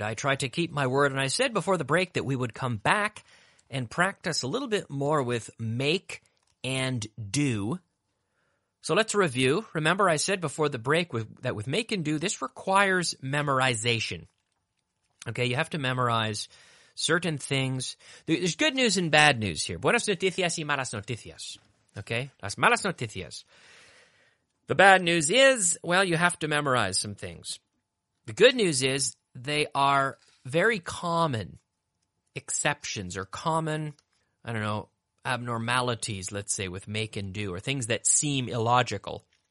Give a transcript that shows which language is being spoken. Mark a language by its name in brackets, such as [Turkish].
[English] I try to keep my word. And I said before the break that we would come back and practice a little bit more with make and do. So let's review. Remember, I said before the break with make and do, this requires memorization. Okay, you have to memorize certain things. There's good news and bad news here. [Spanish] Buenas noticias y malas noticias. Okay, las malas noticias. [English] The bad news is, well, you have to memorize some things. The good news is they are very common exceptions or common, I don't know, abnormalities, let's say, with make and do, or things that seem illogical.